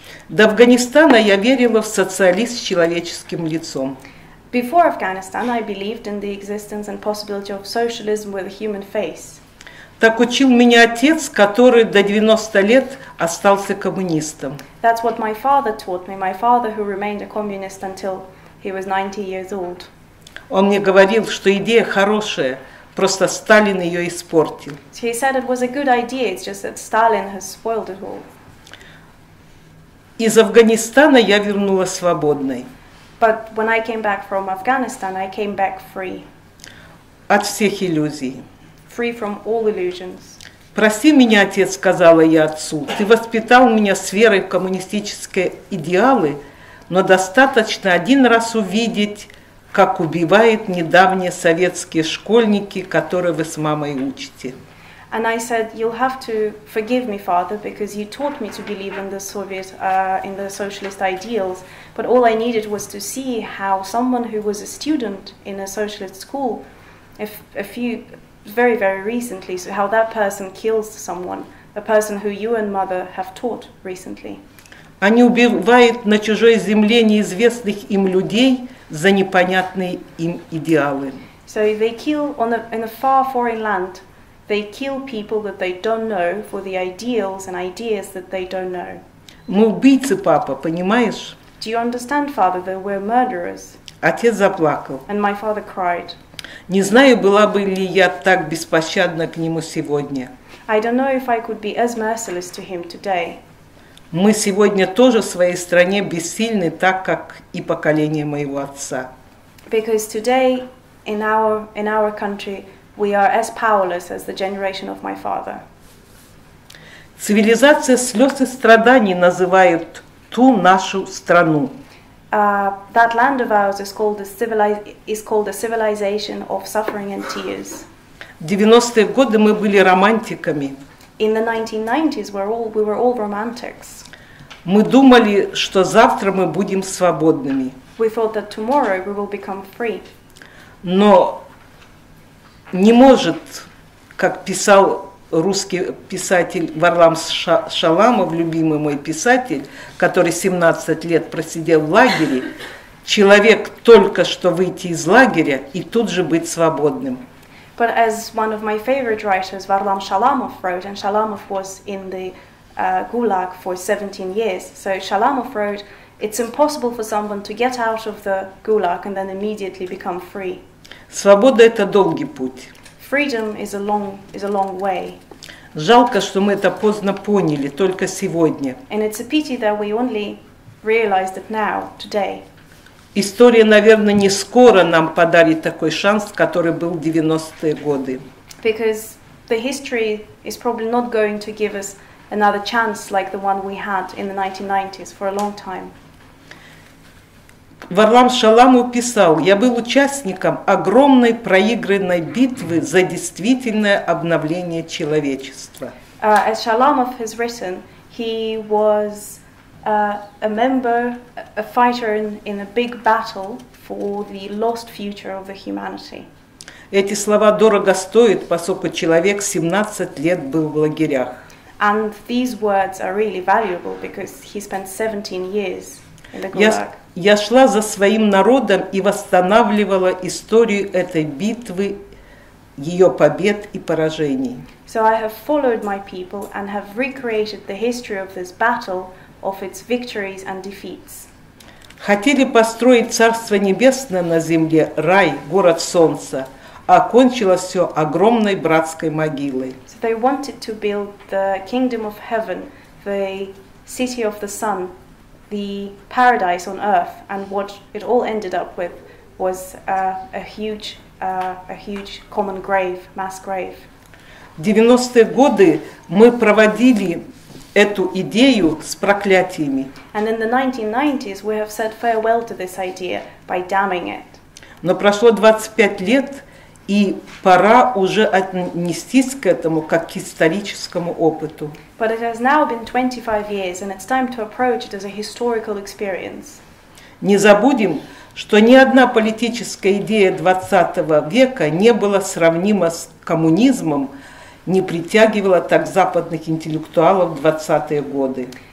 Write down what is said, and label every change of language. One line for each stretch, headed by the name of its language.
Russian: До Афганистана я верила в социализм с человеческим лицом.
English: Before Afghanistan, I believed in the existence and possibility of socialism with a human face.
Russian: Так учил меня отец, который до 90 лет остался коммунистом.
English: That's what my father taught me. My father, who remained a communist until he was 90 years old.
Russian: Он мне говорил, что идея хорошая, просто Сталин ее испортил.
English: He said it was a good idea, it's just that Stalin has spoiled it all.
Russian: Из Афганистана я вернулась свободной.
English: But when I came back from Afghanistan, I came back free.
Russian: От всех иллюзий.
English: Free from all illusions.
Russian: Прости меня, отец, сказала я отцу. Ты воспитал меня с верой в коммунистические идеалы, но достаточно один раз увидеть, как убивают недавние советские школьники, которые вы с мамой учите.
English: And I said, you'll have to forgive me, father, because you taught me to believe in the Soviet, in the socialist ideals. But all I needed was to see how someone who was a student in a socialist school, if a few very, very recently, so how that person kills someone, a person who you and mother have taught recently.
Russian: Они убивают на чужой земле неизвестных им людей за непонятные им идеалы.
English: So they kill in a far foreign land, they kill people that they don't know for the ideals and ideas that they don't know.
Russian: Мы убийцы, папа, понимаешь?
English: Do you understand, father, that we're murderers?
Russian: Отец заплакал.
English: And my father cried.
Russian: Не знаю, была бы ли я так беспощадна к нему сегодня.
English: I don't know if I could be as merciless to him today.
Russian: Мы сегодня тоже в своей стране бессильны, так как и поколение моего отца.
English: Because today in our country we are as powerless as the generation of my father.
Russian: Цивилизация слез и страданий называет ту нашу страну.
English: That land of ours is called a civilization of suffering and tears.
Russian: 90-е годы мы были романтиками.
English: In the 1990s, we were all romantics.
Russian: Мы думали, что завтра мы будем свободными.
English: We thought that tomorrow we will become free.
Russian: Но не может, как писал русский писатель Варлам Шаламов, любимый мой писатель, который 17 лет просидел в лагере, человек только что выйти из лагеря и тут же быть свободным.
English: But as one of my favorite writers, Varlam Shalamov, wrote, and Shalamov was in the gulag for 17 years, so Shalamov wrote, it's impossible for someone to get out of the gulag and then immediately become free.
Russian: Свобода — это долгий путь.
English: Freedom is a long way.
Russian: Жалко, что мы это поздно поняли, только сегодня.
English: And it's a pity that we only realized it now, today.
Russian: История, наверное, не скоро нам подарит такой шанс, который был в 90-е годы.
English: Because the history is probably not going to give us another chance like the one we had in the 1990s for a long time.
Russian: Варлам Шаламов писал: «Я был участником огромной проигранной битвы за действительное обновление человечества».
English: As Shalamov has written, he was a member, a fighter in a big battle for the lost future of the humanity.
Russian: Эти слова дорого стоят, поскольку человек 17 лет был в лагерях.
English: And these words are really valuable because he spent 17 years in the gulag.
Russian: Я шла за своим народом и восстанавливала историю этой битвы, ее побед и поражений.
English: So I have followed my people and have recreated the history of this battle, of its victories and defeats.
Russian: Хотели построить Царство Небесное на земле, рай, город солнца, а кончилось все огромной братской могилой.
English: So they wanted to build the kingdom of heaven, the city of the sun, the paradise on earth, and what it all ended up with was a huge common grave, mass grave.
Russian: В 90-е годы мы проводили эту идею с проклятиями.
English: And in the 1990s we have said farewell to this idea by damning it.
Russian: Но прошло 25 лет, и пора уже отнестись к этому как к историческому опыту.
English: But it has now been 25 years, and it's time to approach it as a historical experience.
Russian: Не забудем, что ни одна политическая идея 20 века не была сравнима с коммунизмом, не притягивала так западных интеллектуалов в 20-е годы.